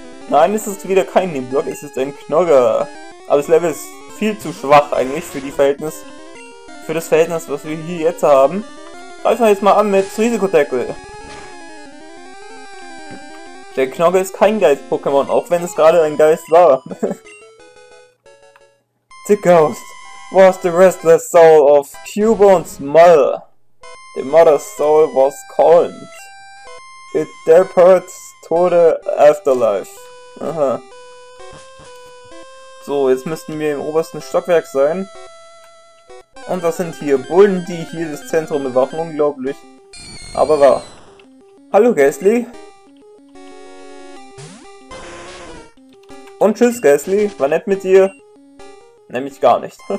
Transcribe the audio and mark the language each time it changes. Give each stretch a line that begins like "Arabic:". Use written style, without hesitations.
German: Nein, es ist wieder kein Nebulak, es ist ein Knoller. Aber das Level ist viel zu schwach eigentlich für das Verhältnis, was wir hier jetzt haben. Greifen wir jetzt mal an mit Risikotackle. Der Knogge ist kein Geist-Pokémon, auch wenn es gerade ein Geist war.
English: The Ghost was the restless soul of Cubone's mother. The mother's soul was calmed. It departed to the afterlife. Aha.
German: So, jetzt müssten wir im obersten Stockwerk sein. Und das sind hier Bullen, die hier das Zentrum bewachen. Unglaublich. Aber wahr. Hallo, Gastly. Und tschüss, Gastly. War nett mit dir? Nämlich gar nicht.